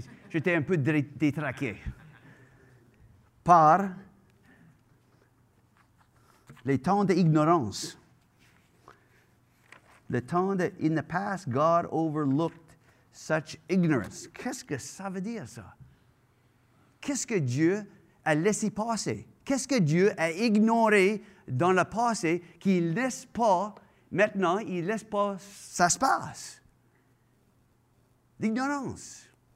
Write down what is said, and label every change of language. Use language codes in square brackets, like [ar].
[fr] J'étais un peu détraqué par les temps d'ignorance. Le temps de, [en] in the past, God overlooked such ignorance. [fr] Qu'est-ce que ça veut dire, ça? Qu'est-ce que Dieu a laissé passer? Qu'est-ce que Dieu a ignoré dans le passé qu'il ne laisse pas? Maintenant, il ne laisse pas, ça se passe. L'ignorance.